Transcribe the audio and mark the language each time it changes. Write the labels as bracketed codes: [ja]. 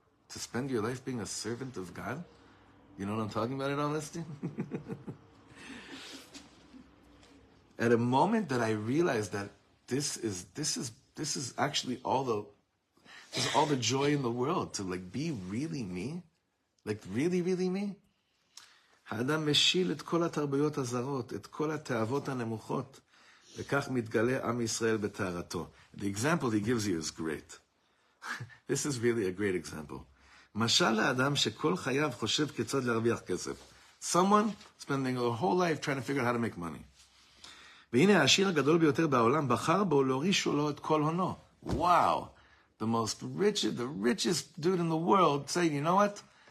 [en] To spend your life being a servant of God? You know what I'm talking about in all this? At a moment that I realized that this is actually all the joy in the world, to like be really me, like really, really me. [he] האדם משיל את כל התרבויות הזרות, את כל התאוות הנמוכות, וכך מתגלה עם ישראל בתארתו. [en] The example he gives you is great. This is really a great example. [he] משל לאדם שכל חייו חושב כיצד להרוויח כסף. [en] Someone spending a whole life trying to figure out how to make money. [he] והנה העשיר הגדול ביותר בעולם בחר בו להורישו לו את כל הונו. [en] Wow! The most rich, the richest dude in the world saying, you know what?